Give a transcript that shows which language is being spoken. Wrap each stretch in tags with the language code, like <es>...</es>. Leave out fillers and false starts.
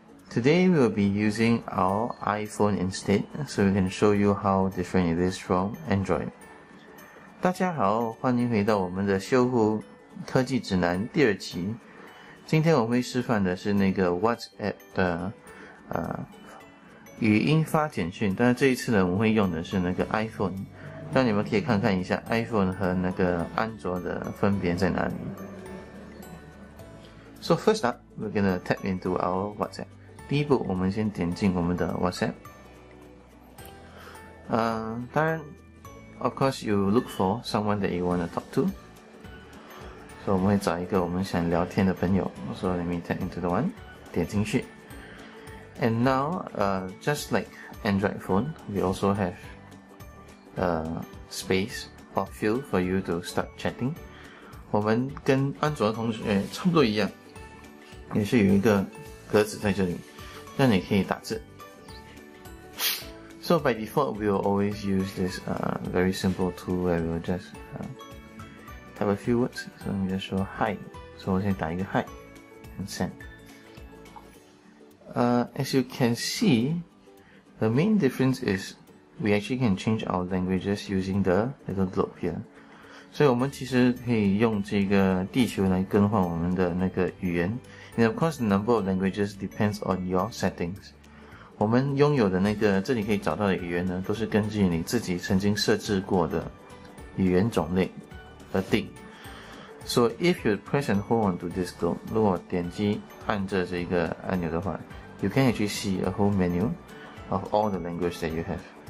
<en>Today we will be using our iPhone instead, so we can show you how different it is from Android.</en> <zh>大家好，欢迎回到我们的修护科技指南第二集。今天我会示范的是那个 WhatsApp 的语音发简讯，但是这一次呢，我们会用的是那个 iPhone。那你们可以看看一下 iPhone 和那个安卓的分别在哪里。</zh> <en>So first up, we're gonna tap into our WhatsApp.</en> <zh>第一步，我们先点进我们的 WhatsApp。当然。</zh> <en>Of course, you look for someone that you want to talk to.</en> <zh>So, 我们会找一个我们想聊天的朋友。</zh> <en>So, let me tap into the one.</en> <zh>点进去。</zh> <en>And now, just like Android phone, we also have a space or field for you to start chatting.</en> <zh>我们跟安卓同学差不多一样，也是有一个格子在这里，让你可以打字。</zh> <en>So by default, we'll always use this very simple tool where we'll just have a few words. So let me just show hi.</en> <zh>So 我先打一个 hi</zh> <en>and send. As you can see, the main difference is we actually can change our languages using the little globe here.</en> <zh>所以我们其实可以用这个地球来更换我们的那个语言。</zh> <en>And of course, the number of languages depends on your settings.</en> <zh>我们拥有的那个这里可以找到的语言呢，都是根据你自己曾经设置过的语言种类而定。</zh> <en>So if you press and hold on to this globe,</en> <zh>如果点击按着这个按钮的话，</zh> <en>you can actually see a whole menu of all the language that you have.</en>